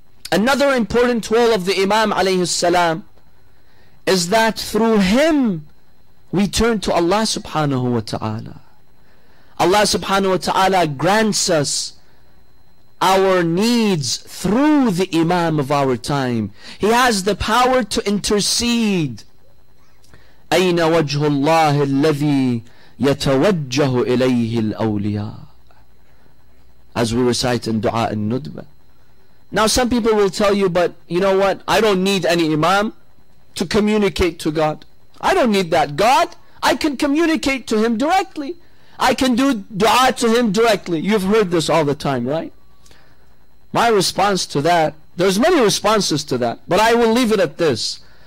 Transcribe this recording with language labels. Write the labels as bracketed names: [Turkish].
[English] Another important role of the Imam alayhi salam is that through him we turn to Allah subhanahu wa ta'ala. Allah subhanahu wa ta'ala grants us our needs through the Imam of our time. He has the power to intercede. [Arabic] أَيْنَ وَجْهُ اللَّهِ الَّذِي يَتَوَجَّهُ إِلَيْهِ الْأَوْلِيَاءِ, [English] as we recite in Dua al-Nudba. Now some people will tell you, but you know what? I don't need any Imam to communicate to God. I don't need that God. I can communicate to Him directly. I can do Dua to Him directly. You've heard this all the time, right? My response to that, there's many responses to that, but I will leave it at this.